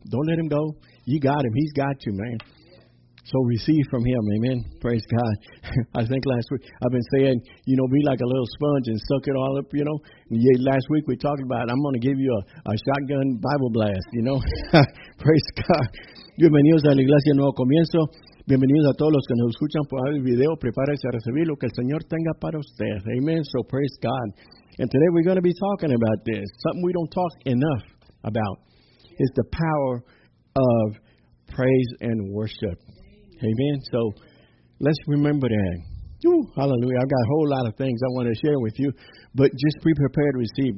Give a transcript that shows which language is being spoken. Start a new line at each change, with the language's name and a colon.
English: Don't let him go. You got him. He's got you, man. So receive from him. Amen. Praise God. I think last week I've been saying, you know, be like a little sponge and suck it all up, you know. And yeah, last week we talked about it. I'm going to give you a shotgun Bible blast, you know. Praise God.
Spanish: Bienvenidos a la Iglesia Nuevo Comienzo. Bienvenidos a todos los que nos escuchan por el video. Prepárense a recibir lo que el Señor tenga para ustedes.
English: Amen. So praise God. And today we're going to be talking about this. Something we don't talk enough about is the power of praise and worship. Amen. So let's remember that. Ooh, hallelujah. I've got a whole lot of things I want to share with you. But just be prepared to receive.